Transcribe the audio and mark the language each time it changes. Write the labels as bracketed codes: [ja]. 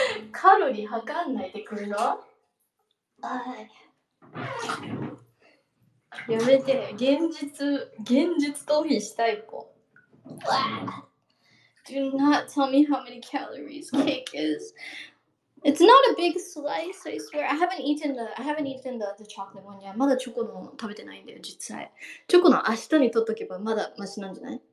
[ja] カロリー測んないでくるの？やめて、現実逃避したい子。 [en] Do not tell me how many calories cake is. It's not a big slice, I swear. I haven't eaten the chocolate one yet. [ja] まだチョコの食べてないんだよ、実際。チョコの明日にとっとけばまだマシなんじゃない？